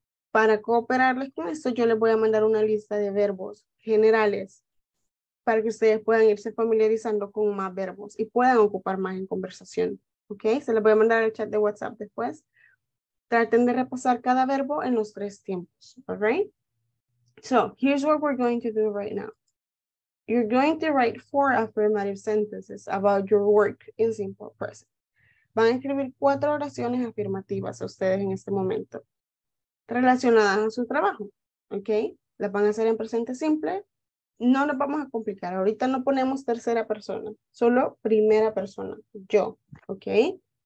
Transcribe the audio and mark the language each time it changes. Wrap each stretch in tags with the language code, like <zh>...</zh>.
<es>Para cooperarles con esto, yo les voy a mandar una lista de verbos generales para que ustedes puedan irse familiarizando con más verbos y puedan ocupar más en conversación. ¿Ok? Se los voy a mandar al chat de WhatsApp después. Traten de repasar cada verbo en los tres tiempos.</es> <en>¿All right? So, here's what we're going to do right now. You're going to write 4 affirmative sentences about your work in simple present.</en> <es>Van a escribir 4 oraciones afirmativas a ustedes en este momento. Relacionadas a su trabajo, ¿ok? Las van a hacer en presente simple. No nos vamos a complicar. Ahorita no ponemos tercera persona, solo primera persona, yo, ¿ok?</es>